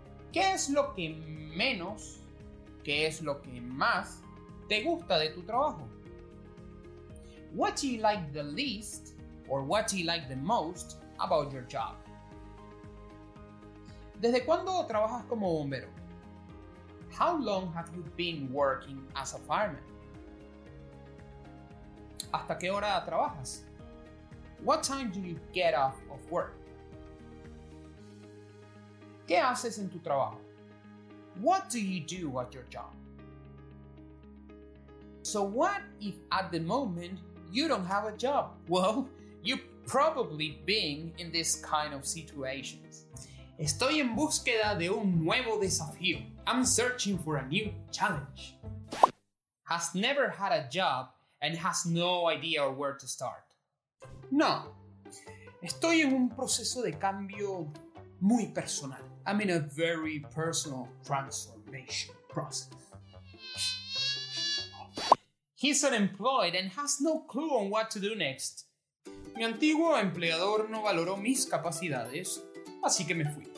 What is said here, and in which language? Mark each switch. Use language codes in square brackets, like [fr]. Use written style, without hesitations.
[es] ¿Qué es lo que menos, qué es lo que más te gusta de tu trabajo? [en] What do you like the least or what do you like the most about your job? [es] ¿Desde cuándo trabajas como bombero? [en] How long have you been working as a fireman? [es] ¿Hasta qué hora trabajas? [en] What time do you get off of work? [es] ¿Qué haces en tu trabajo? [en] What do you do at your job? So what if at the moment you don't have a job? Well, you've probably been in this kind of situations. [es] Estoy en búsqueda de un nuevo desafío. [en] I'm searching for a new challenge. Has never had a job and has no idea where to start. No. [es] Estoy en un proceso de cambio muy personal. [en] I'm in a very personal transformation process. He's unemployed and has no clue on what to do next. [es] Mi antiguo empleador no valoró mis capacidades, así que me fui.